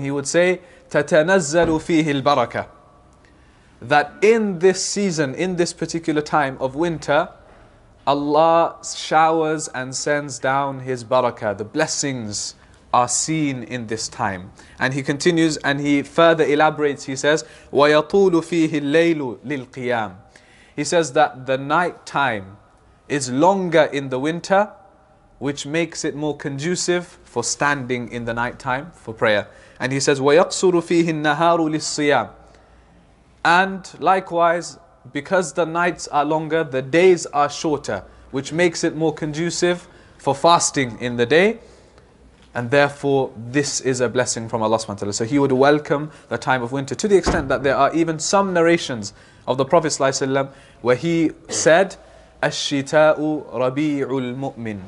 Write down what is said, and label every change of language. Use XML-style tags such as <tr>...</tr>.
<en>He would say,</en> <ar>تَتَنَزَّلُ فِيهِ الْبَرَكَةِ.</ar> <en>That in this season, in this particular time of winter, Allah showers and sends down His barakah. The blessings are seen in this time. And he continues and he further elaborates. He says,</en> <ar>وَيَطُولُ فِيهِ اللَّيْلُ لِلْقِيَامِ.</ar> <en>He says that the night time is longer in the winter, which makes it more conducive for standing in the night time for prayer. And he says,</en> <ar>وَيَقْصُرُ فِيهِ النَّهَارُ لِلصِّيَامِ.</ar> <en>And likewise, because the nights are longer, the days are shorter, which makes it more conducive for fasting in the day. And therefore, this is a blessing from Allah subhanahu wa ta'ala. So he would welcome the time of winter, to the extent that there are even some narrations of the Prophet sallallahu alaihi wasallam where he said,</en> <ar>الشِّتَاءُ رَبِيعُ الْمُؤْمِنِ.</ar>